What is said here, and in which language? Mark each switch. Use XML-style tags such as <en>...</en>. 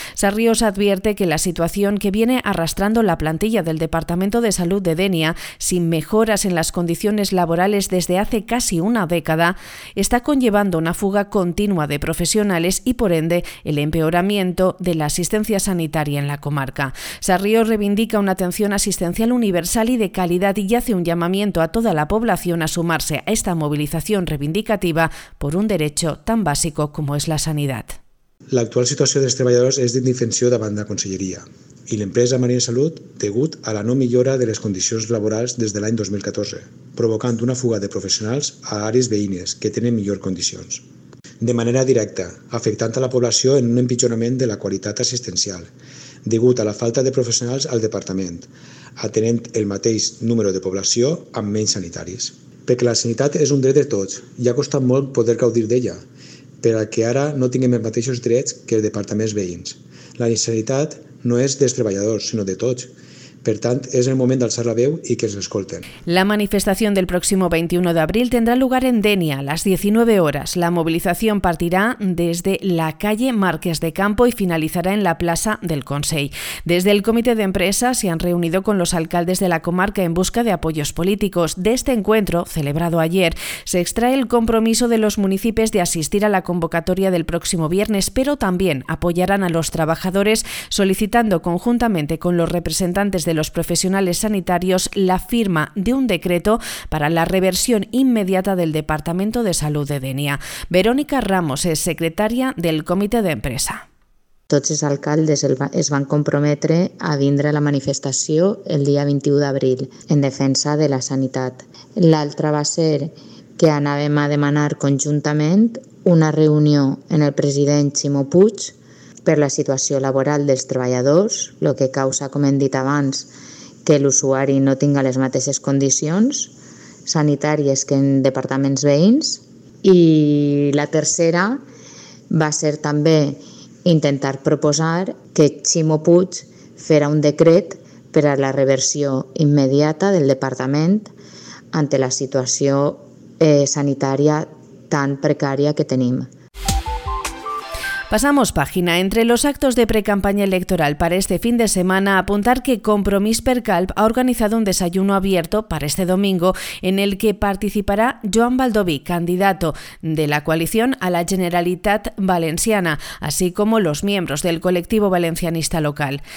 <es>Sarrios advierte que la situación que viene arrastrando la plantilla del Departamento de Salud de Denia, sin mejoras en las condiciones laborales desde hace casi una década, está conllevando una fuga continua de profesionales y, por ende, el empeoramiento de la asistencia sanitaria en la comarca. Sarrios reivindica una atención asistencial universal y de calidad y hace un llamamiento a toda la población a sumarse a esta movilización reivindicativa por un derecho tan básico como es la sanidad.</es> <ca>L'actual situació dels treballadors és d'indefensió davant la conselleria i l'empresa Marina Salut degut a la no millora de les condicions laborals des de l'any 2014, provocant una fuga de professionals a àrees veïnes que tenen millors condicions. De manera directa, afectant a la població en un empitjorament de la qualitat assistencial, degut a la falta de professionals al departament, atenent el mateix número de població amb menys sanitaris. Perquè la sanitat és un dret de tots i ha costat molt poder gaudir d'ella, perquè ara no tinguem els mateixos drets que els departaments veïns. La sanitat no és dels treballadors, sinó de tots. Per tant, és el moment d'alçar la veu i que es escolten. La manifestació del pròxim 21 d'abril tindrà lloc en Denia a les 19 hores. La mobilització partirà des de la calle Márquez de Campo i finalitzarà en la plaça del Consell. Des del Comitè d'Empresa se han reunit amb els alcaldes de la comarca</ca> <es>en busca de apoyos políticos. De este encuentro, celebrado ayer, se extrae el compromiso de los municipios de asistir a la convocatoria del próximo viernes, pero también apoyarán a los trabajadores solicitando conjuntamente con los representantes de los profesionales sanitarios la firma de un decreto para la reversión inmediata del Departamento de Salud de Denia. Verónica Ramos es secretaria del Comité de Empresa.</es> <ca>Tots els alcaldes es van comprometre a vindre a la manifestació el dia 21 d'abril en defensa de la sanitat. L'altra va ser que anàvem a demanar conjuntament una reunió en el president Ximo Puig per la situació laboral dels treballadors, el que causa, com hem dit abans, que l'usuari no tinga les mateixes condicions sanitàries que en departaments veïns. I la tercera va ser també intentar proposar que Ximo Puig fera un decret per a la reversió immediata del departament ante la situació sanitària tan precària que tenim.</ca> <es>Pasamos página. Entre los actos de precampaña electoral para este fin de semana, apuntar que Compromís per Calp ha organizado un desayuno abierto para este domingo en el que participará Joan Baldoví, candidato de la coalición a la Generalitat Valenciana, así como los miembros del colectivo valencianista local.</es>